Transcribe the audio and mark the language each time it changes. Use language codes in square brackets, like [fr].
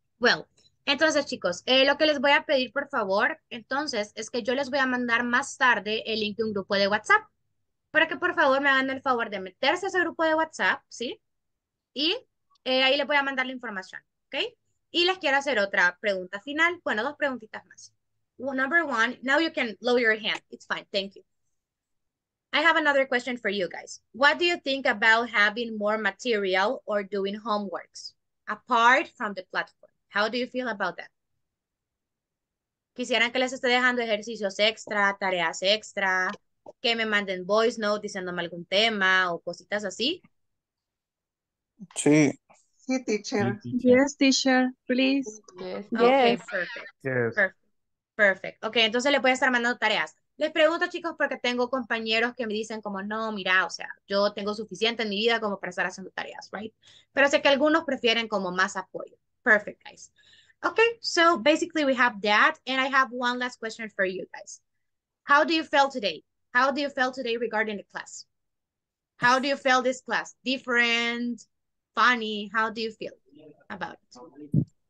[es] Well, entonces, chicos, lo que les voy a pedir, por favor, entonces, es que yo les voy a mandar más tarde el link de un grupo de WhatsApp, para que por favor me hagan el favor de meterse a ese grupo de WhatsApp, ¿sí? Y ahí les voy a mandar la información, ¿ok? Y les quiero hacer otra pregunta final. Bueno, 2 preguntitas más. [en] Well, number one, now you can lower your hand. It's fine, thank you. I have another question for you guys. What do you think about having more material or doing homeworks apart from the platform? How do you feel about that? [es] ¿Quisieran que les esté dejando ejercicios extra, tareas extra, que me manden voice note diciéndome algún tema o cositas así? Sí. Sí, teacher. [en] Yes, teacher, please. Yes. Okay, perfect. [es] Ok, entonces le voy a estar mandando tareas. Les pregunto, chicos, porque tengo compañeros que me dicen como, no, mira, o sea, yo tengo suficiente en mi vida como para estar haciendo tareas, right? Pero sé que algunos prefieren como más apoyo. [en] Perfect, guys. Ok, so basically we have that, and I have one last question for you guys. How do you feel today? How do you feel today regarding the class? How do you feel this class? Different, funny, how do you feel about it?